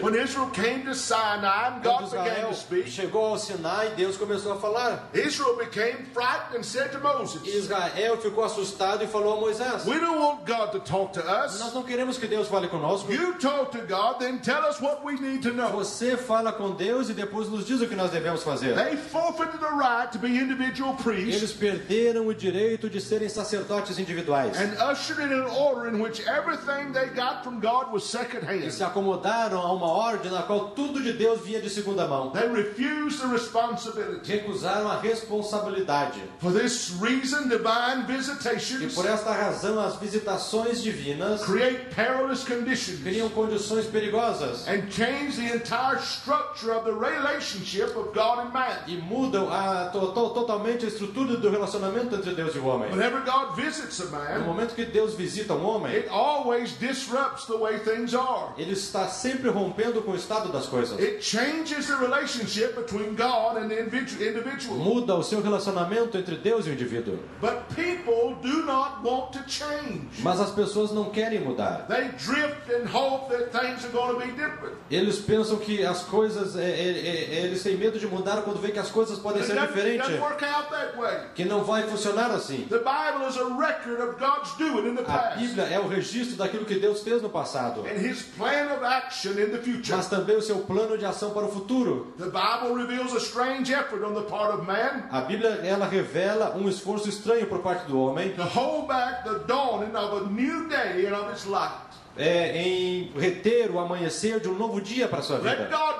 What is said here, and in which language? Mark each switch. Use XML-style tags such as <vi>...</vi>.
<en>When Israel came to Sinai, God began to speak.</en> <pt>Chegou ao Sinai, Deus começou a falar.</pt> <en>Israel became frightened and said to Moses.</en> <pt>Israel ficou assustado e falou a Moisés.</pt> <en>We don't want God to talk to us.</en> <pt>Nós não queremos que Deus fale conosco.</pt> <en>You talk to God, then tell us what we need to know.</en> <pt>Você fala com Deus e depois nos diz o que nós devemos fazer.</pt> <en>They forfeited the right to be individual priests.</en> <pt>Eles perderam o direito de serem sacerdotes individuais.</pt> <en>And ushered in an order in which everything they got from God was second hand.</en> <pt>E se acomodaram a uma ordem na qual tudo de Deus vinha de segunda mão.</pt> <en>They refused the responsibility.</en> <pt>Recusaram a responsabilidade.</pt> <en>For this reason, divine visitations.</en> <pt>E por esta razão, as visitações divinas</pt> <en>create perilous conditions.</en> <pt>Criam condições perigosas.</pt> <en>And change the entire structure of the relationship of God and man.</en> <pt>E mudam totalmente a estrutura do relacionamento entre Deus e o homem.</pt> <en>Whenever God visits.</en> <pt>No momento que Deus visita um homem,</pt> <en>it always disrupts the way things are.</en> <pt>Ele está sempre rompendo com o estado das coisas.</pt> <en>It changes the relationship between God and the individual.</en> <pt>Muda o seu relacionamento entre Deus e o indivíduo.</pt> <en>But people do not want to change.</en> <pt>Mas as pessoas não querem mudar.</pt> <en>They drift and hope that things are going to be different.</en> <pt>Eles pensam que as coisas eles têm medo de mudar quando vê que as coisas podem ser diferentes. Que não vai funcionar assim.</pt> <en>The Bible is a record of God's doing in the past.</en> <pt>A Bíblia é o registro daquilo que Deus fez no passado.</pt> <en>And his plan of action in the future.</en> <pt>Mas também o seu plano de ação para o futuro.</pt> <en>The Bible reveals a strange effort on the part of man.</en> <pt>A Bíblia, ela revela um esforço estranho por parte do homem.</pt> <en>To hold back the dawning of a new day and of its light.</en> <pt>Em reter o amanhecer de um novo dia para a sua vida.</pt>